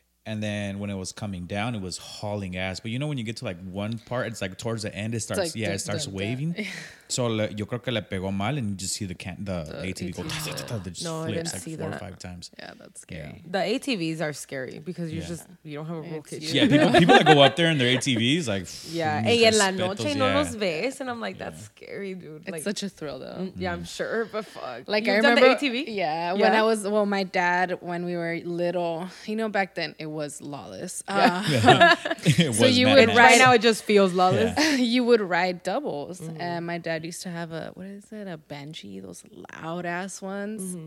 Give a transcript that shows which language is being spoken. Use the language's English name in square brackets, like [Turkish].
[English] And then when it was coming down, it was hauling ass. But you know when you get to like one part, it's like towards the end, it starts, like, yeah, it starts waving. So [Spanish] yo creo que le pegó mal [English] and you just see the ATV go, it just flips like four or five times. Yeah, that's scary. Yeah. The ATVs are scary because you don't have a roll kitchen. Yeah, people that go up there in their ATVs, like. [Spanish] Yeah, y en la noche no los ves. [English] And I'm like, that's scary, dude. It's such a thrill though. Yeah, I'm sure, but fuck. Like I remember. You've done the ATV? Yeah, when I was, well, my dad, when we were little, you know, back then, it was lawless. It was so you would ride. Right now it just feels lawless. Yeah. You would ride doubles. Mm-hmm. And my dad used to have a Banshee, those loud ass ones. Mm-hmm.